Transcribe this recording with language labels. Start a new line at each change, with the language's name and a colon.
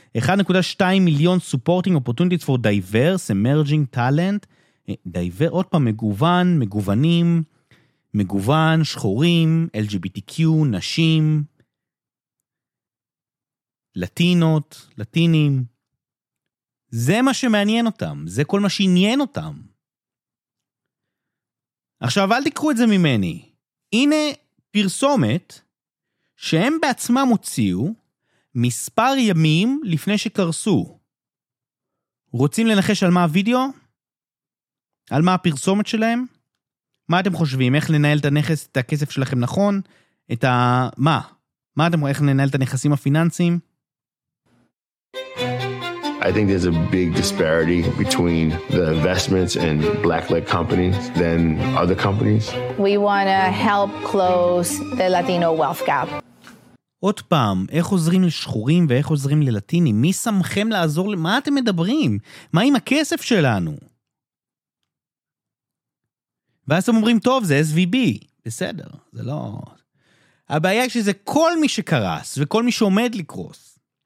English: 1.2 מיליון supporting opportunities for diverse emerging talent.
Hebrew: עוד פעם, מגוון, מגוונים, מגוון, שחורים, LGBTQ, נשים, לטינות, לטינים. זה מה שמעניין אותם, זה כל מה שעניין אותם. עכשיו, אל תקחו את זה ממני. הנה פרסומת שהם בעצמם הוציאו מספר ימים לפני שקרסו. רוצים לנחש על מה הווידאו? על מה הפרסומת שלהם? מה אתם חושבים? איך לנהל את הנכס, את הכסף שלכם נכון? את ה... מה? מה אתם רואים? איך לנהל את הנכסים הפיננסיים?
English: I think there's a big disparity between the investments and black-led companies than other companies. We want to help close the Latino wealth gap.
Hebrew: עוד פעם, איך עוזרים לשחורים ואיך עוזרים ללטינים? מי שמכם לעזור? מה אתם מדברים? מה עם הכסף שלנו? ואז הם אומרים, טוב, זה SVB. בסדר, זה לא... הבעיה היא שזה כל מי שקרס וכל מי שעומד לקרוס.